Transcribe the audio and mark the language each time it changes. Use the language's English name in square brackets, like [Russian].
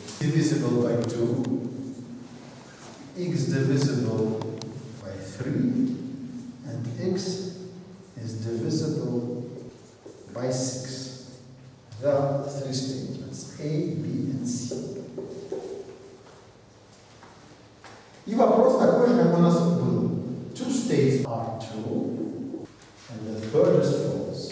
[English] Divisible by 2, x divisible by 3, and x is divisible by 6. There are three statements, A, B, and C. [Russian] И вопрос такой же, как у нас был. [English] Two states are true, and the third is false.